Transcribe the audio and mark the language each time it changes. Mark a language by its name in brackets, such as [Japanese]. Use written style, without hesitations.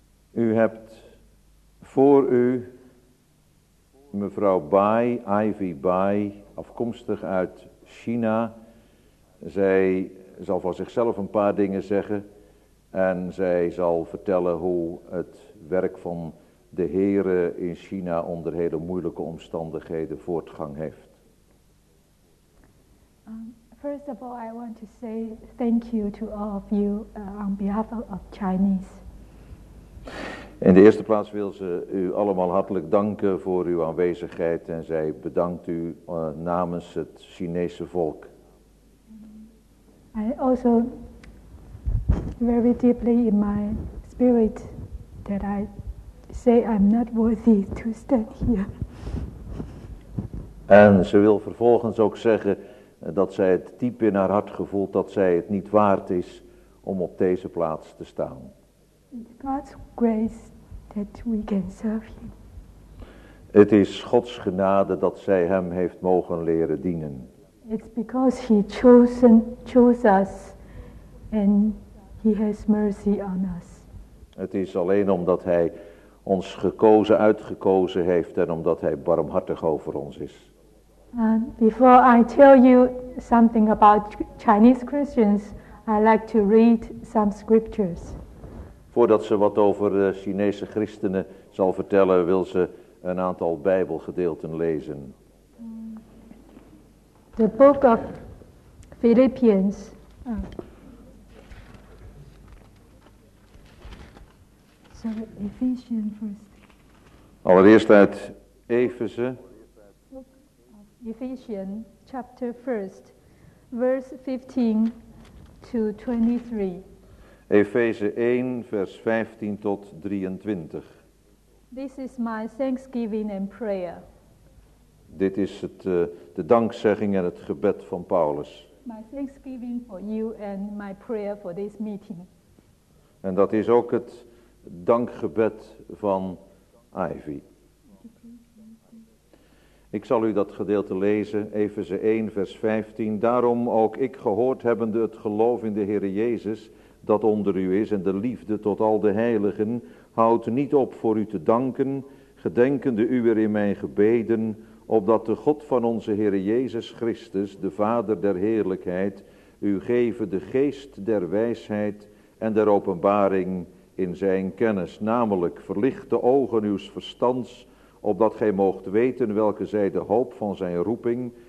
[Dutch] U hebt voor u mevrouw Bai, Ivy Bai, afkomstig uit China. Zij zal van zichzelf een paar dingen zeggen en zij zal vertellen hoe het werk van de Heere in China onder hele moeilijke omstandigheden voortgang heeft. [English] First of all, I want to say thank you to all of you on behalf of Chinese. [Dutch] In de eerste plaats wil ze u allemaal hartelijk danken voor uw aanwezigheid en zij bedankt u namens het Chinese volk. [English] I also very deeply in my spirit that I say I'm not worthy to stand here. [Dutch] En ze wil vervolgens ook zeggen dat zij het diep in haar hart gevoelt dat zij het niet waard is om op deze plaats te staan. [English] God's grace that we can serve him. [Dutch] Het is Gods genade dat zij hem heeft mogen leren dienen. [English] It's because he chose us and he has mercy on us. [Dutch] Het is alleen omdat hij ons gekozen, uitgekozen heeft en omdat hij barmhartig over ons is. [English] Before I tell you something about Chinese Christians, I like to read some scriptures. [Dutch] Voordat ze wat over Chinese christenen zal vertellen, wil ze een aantal Bijbelgedeelten lezen. [English] The book of Philippians. Ephesians first. [Dutch] Allereerst uit Efeze. [English] Ephesians chapter 1, verse 15 to 23. [Dutch] Efeze 1, vers 15 tot 23. [English] This is my thanksgiving and prayer. [Dutch] Dit is het, de dankzegging en het gebed van Paulus. [English] My thanksgiving for you and my prayer for this meeting. [Dutch] En dat is ook het dankgebed van Ivy. Ik zal u dat gedeelte lezen, Efeze 1, vers 15. Daarom ook ik gehoord hebbende het geloof in de Heere Jezus dat onder u is en de liefde tot al de heiligen, houdt niet op voor u te danken, gedenkende u er in mijn gebeden, opdat de God van onze Heere Jezus Christus, de Vader der Heerlijkheid, u geven de geest der wijsheid en der openbaring in zijn kennis, namelijk verlicht de ogen uws verstands, opdat gij moogt weten welke zij de hoop van zijn roeping